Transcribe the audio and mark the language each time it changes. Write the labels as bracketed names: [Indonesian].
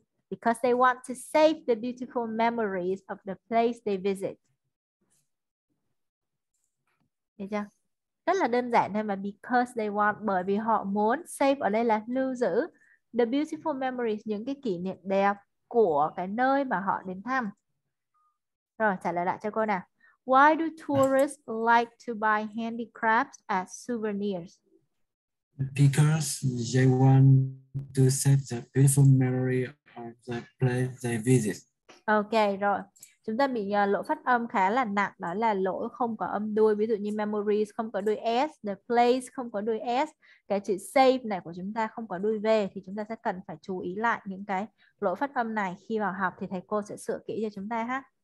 [English] Because they want to save the beautiful memories of the place they visit. [Vietnamese] Được chưa? Rất là đơn giản thôi mà, [English] because they want, [Vietnamese] bởi vì họ muốn, save ở đây là lưu giữ [English] the beautiful memories, [Vietnamese] những cái kỷ niệm đẹp của cái nơi mà họ đến thăm. Rồi, trả lời lại cho cô nào. [English] Why do tourists like to buy handicrafts as souvenirs? Because they want to save the beautiful memory of the place they visit. Ok, rồi. [Vietnamese] Chúng ta bị lỗi phát âm khá là nặng. Đó là lỗi không có âm đuôi. Ví dụ như memories không có đuôi S. [English] The place [Vietnamese] không có đuôi S. Cái chữ save này của chúng ta không có đuôi V. Thì chúng ta sẽ cần phải chú ý lại những cái lỗi phát âm này. Khi vào học thì thầy cô sẽ sửa kỹ cho chúng ta ha.